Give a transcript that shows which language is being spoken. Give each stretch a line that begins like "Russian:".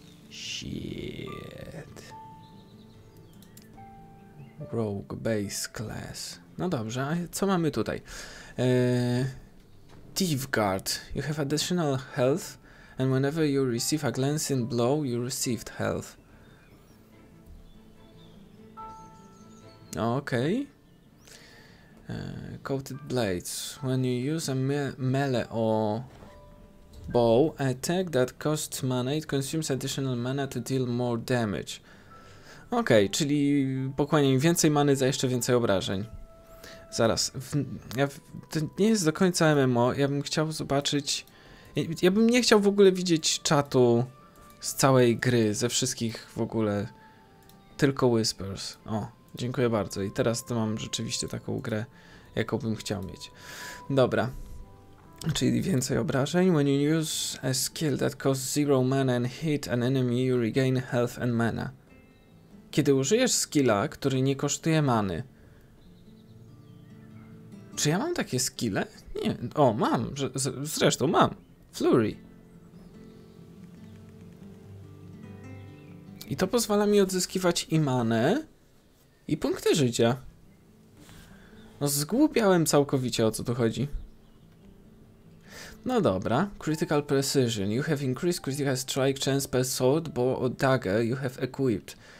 English: Shit.
Polish: Rogue Base Class. No dobrze, a co mamy tutaj?
English: Thief Guard. You have additional health, and whenever you receive a glancing blow, you received health. Okay. Coated blades. When you use a melee or bow attack that costs mana, it consumes additional mana to deal more damage.
Polish: Okay, czyli pokłanie im więcej many za jeszcze więcej obrażeń. Zaraz, to nie jest do końca MMO, ja bym chciał zobaczyć... Ja bym nie chciał w ogóle widzieć czatu z całej gry, ze wszystkich w ogóle, tylko Whispers. O, dziękuję bardzo i teraz to mam rzeczywiście taką grę, jaką bym chciał mieć. Dobra, czyli więcej obrażeń.
English: When you use a skill that costs zero mana and hit an enemy, you regain health and mana.
Polish: Kiedy użyjesz skilla, który nie kosztuje many. Czy ja mam takie skille? Nie, o, mam, zresztą mam. Flurry. I to pozwala mi odzyskiwać i manę, i punkty życia. No, zgłupiałem całkowicie, o co tu chodzi. No dobra. Critical precision.
English: You have increased critical strike chance per sword, bow or dagger you have equipped.